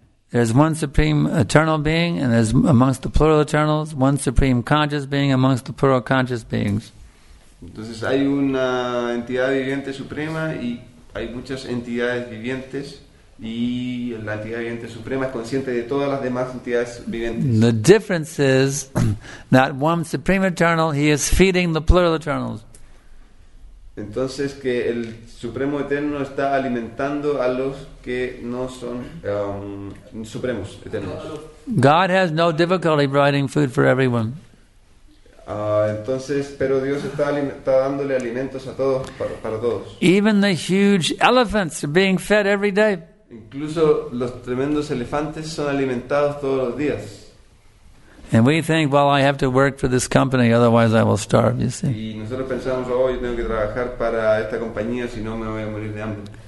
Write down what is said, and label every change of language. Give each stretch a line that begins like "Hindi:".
English: There's one supreme eternal being, and there's amongst the plural eternals one supreme conscious being amongst the plural conscious beings.
Spanish: Entonces hay una entidad viviente suprema y hay muchas entidades vivientes y la entidad viviente suprema es consciente de todas las demás entidades vivientes.
English: The difference is that one supreme eternal, he is feeding the plural eternals.
Spanish: Entonces que el supremo eterno está alimentando a los que no son supremos eternos.
English: God has no difficulty providing food for everyone.
Spanish: Entonces, pero Dios está dándole alimentos a todos para todos.
English: Even the huge elephants are being fed every day.
Spanish: Incluso los tremendos elefantes son alimentados todos los días.
English: And we think, well, I have to work for this company, otherwise I will starve, you see.
Spanish: Y nosotros pensamos, oh, yo tengo que trabajar para esta compañía, si no me voy a morir de hambre.